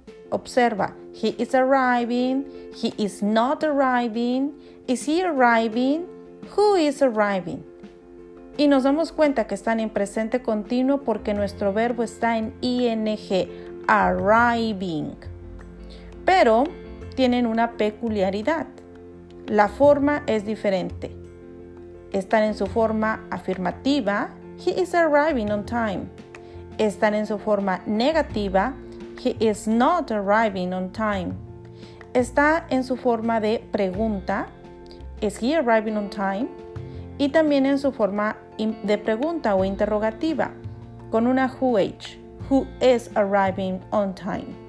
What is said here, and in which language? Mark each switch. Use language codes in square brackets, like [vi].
[es] Observa, [en] he is arriving, he is not arriving, is he arriving, who is arriving. [es] Y nos damos cuenta que están en presente continuo porque nuestro verbo está en ing, arriving. Pero tienen una peculiaridad, la forma es diferente. Están en su forma afirmativa, [en] he is arriving on time. [es] Están en su forma negativa, [en] he is not arriving on time. [es] Está en su forma de pregunta, [en] is he arriving on time? [es] Y también en su forma de pregunta o interrogativa, con una [en] who-h, who is arriving on time.